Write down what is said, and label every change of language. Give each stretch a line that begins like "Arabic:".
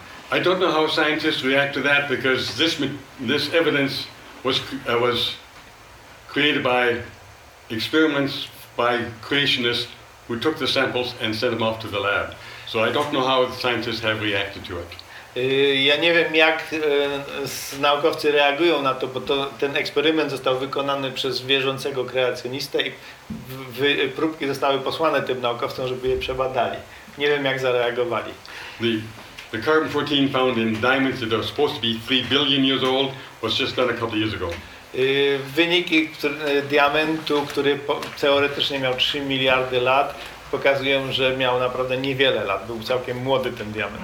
English: I don't know how scientists react to that because this evidence was created by experiments by creationists who took the samples and sent them off to the lab. So I don't know how the scientists have reacted to it.
Polish: Ja nie wiem, jak naukowcy reagują na to, bo ten eksperyment został wykonany przez wierzącego kreacjonistę i próbki zostały posłane tym naukowcom, żeby je przebadali. Nie wiem, jak zareagowali.
English: The carbon-14 found in diamonds that are supposed to be 3 billion years old was just done a couple of years ago.
Polish: Wyniki diamentu, który teoretycznie miał 3 miliardy lat, pokazują, że miał naprawdę niewiele lat. Był całkiem młody ten diament.